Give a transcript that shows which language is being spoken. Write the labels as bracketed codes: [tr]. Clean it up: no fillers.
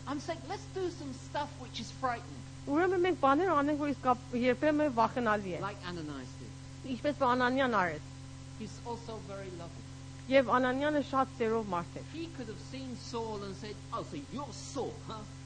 [en] I'm saying let's do some stuff which is frightening. [hy] Ուրեմն մենք բաներ անենք, որ իսկ երբեմն վախենալի է։ [en] Like Ananias did. [hy] Ինչպես որ Անանյան արեց։ [en] He's also very loving. [hy] Եվ Անանյանը շատ սերով մարդ էր։ [en] He could have seen Saul and said, "Oh, so you're Saul, huh?"